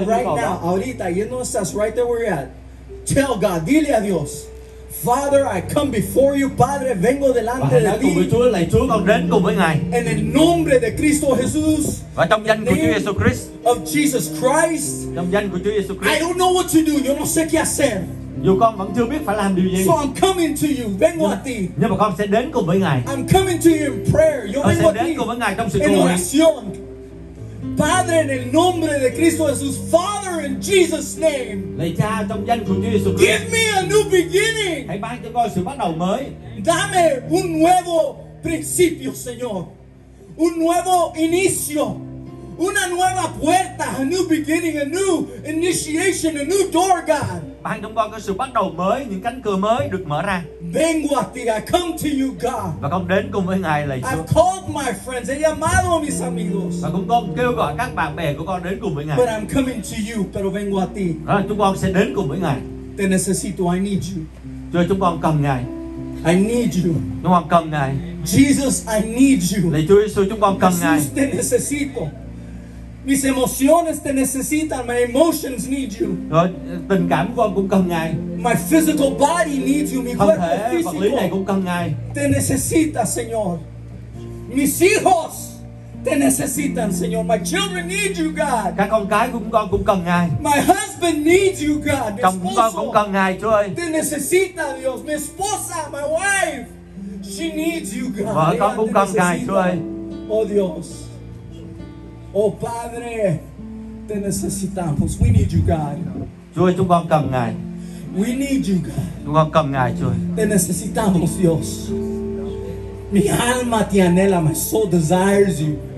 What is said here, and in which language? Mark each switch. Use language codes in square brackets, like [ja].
[en] right now, ahorita, you know, that's right there where you're at. Tell God, [es] dile a Dios, [en] Father, I come before you, [es] Padre, vengo delante de ti. [vi] Và hãy nói cùng với Chúa, lạy Chúa, con đến cùng với Ngài. [es] En el nombre de Cristo Jesús. [vi] Và trong danh của Chúa Giêsu Christ. [en] Of Jesus Christ. [vi] Trong danh của Chúa Giêsu Christ. [en] I don't know what to do. [es] Yo no sé qué hacer. [vi] dù con vẫn chưa biết phải làm điều gì. [en] So I'm coming to you, [vi] nhưng mà con sẽ đến cùng với Ngài. [en] I'm coming to you in prayer. [vi] Con sẽ đến cùng với Ngài trong sự cầu nguyện. [es] Padre, en el nombre de Cristo Jesús, [en] Father, in Jesus' name. [vi] Lạy Cha, trong danh của Chúa Giêsu Christ. [en] Give me a new beginning. [vi] Hãy ban cho con sự bắt đầu mới. [es] Dame un nuevo principio, Señor. Un nuevo inicio. Una nueva puerta, [en] a new beginning, a new initiation, a new door, God. [vi] Ban cho con có sự bắt đầu mới, những cánh cửa mới được mở ra. [es] Vengo a ti, [en] I come to you, God. [vi] Và con đến cùng với Ngài, lạy Chúa. [en] I've called my friends, [es] he llamado a mis amigos. [vi] Và cũng con kêu gọi các bạn bè của con đến cùng với Ngài. [en] But I'm coming to you, [es] pero vengo a ti. [vi] Đó là chúng con sẽ đến cùng với Ngài. [es] Te necesito, [en] I need you. [vi] Chúa, chúng con cần Ngài. [en] I need you. [vi] Chúng con cần Ngài. [en] Jesus, I need you. [vi] Lạy Chúa Giêsu, chúng con cần Ngài. [es] Te necesito. Mis emociones te necesitan. [en] My emotions need you. [vi] Rồi, tình cảm của con cũng cần Ngài. [en] My physical body needs you. [es] Mi cuerpo físico. [vi] Vật lý này cũng cần Ngài. [es] Te necesita, Señor. Mis hijos te necesitan, Señor. [en] My children need you, God. [vi] Các con cái của con cũng cần Ngài. [en] My husband needs you, God. [vi] Chồng của con cũng cần Ngài, Chúa ơi. [es] Te necesita, Dios. Mi esposa, [en] my wife, she needs you, God. [vi] Vợ con cũng cần Ngài, Chúa ơi. [es] Oh, Dios. Oh Padre, te necesitamos. [en] We need you, God. [vi] Chúa, chúng con cần Ngài. [en] We need you, God. [vi] Chúng con cần Ngài, Chúa. [es] Te necesitamos, Dios. Mi alma te anhela, [en] my soul desires you.